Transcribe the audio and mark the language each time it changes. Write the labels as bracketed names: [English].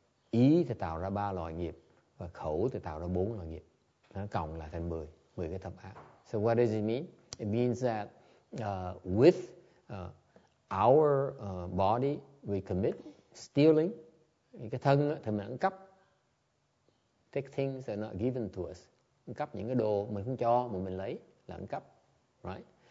[Vietnamese] Ý thì tạo ra ba loại nghiệp. Và khẩu thì tạo ra bốn loại nghiệp. Nó cộng lại thành 10 cái thập ác. [English] So what does it mean? It means that with our body, we commit stealing. [Vietnamese] Cái thân thì mình ăn cắp. [English] Take things that are not given to us. [Vietnamese] Ăn cắp những cái đồ mình không cho mà mình lấy là ăn cắp. Right?